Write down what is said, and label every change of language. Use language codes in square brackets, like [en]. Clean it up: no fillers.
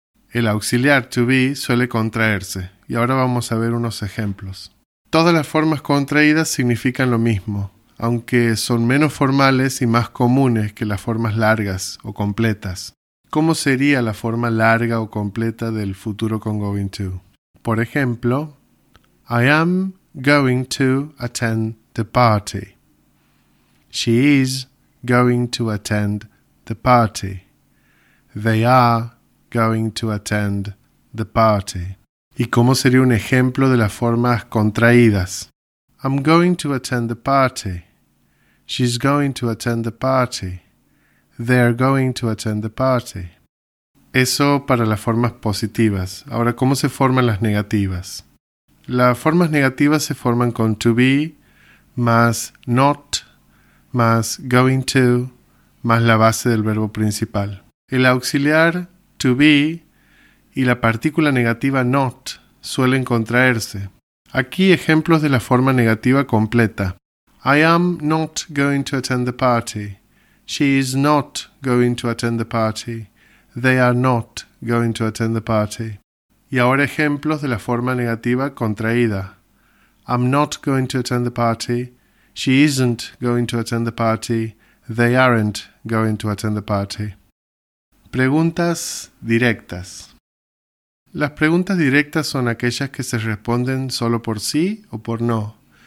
[es] El auxiliar to be suele contraerse y ahora vamos a ver unos ejemplos. Todas las formas contraídas significan lo mismo, aunque son menos formales y más comunes que las formas largas o completas. ¿Cómo sería la forma larga o completa del futuro con going to? Por ejemplo, [en] I am going to attend the party. She is going to attend the party. They are going to attend the party. [es] ¿Y cómo sería un ejemplo de las formas contraídas? [en] I'm going to attend the party. She's going to attend the party. They're going to attend the party. [es] Eso para las formas positivas. Ahora, ¿cómo se forman las negativas? Las formas negativas se forman con to be, más not, más going to, más la base del verbo principal. El auxiliar to be y la partícula negativa not suelen contraerse. Aquí ejemplos de la forma negativa completa. [en] I am not going to attend the party. She is not going to attend the party. They are not going to attend the party. [es] Y ahora ejemplos de la forma negativa contraída. [en] I'm not going to attend the party. She isn't going to attend the party. They aren't going to attend the party. [es] Preguntas directas. Las preguntas directas son aquellas que se responden solo por sí o por no.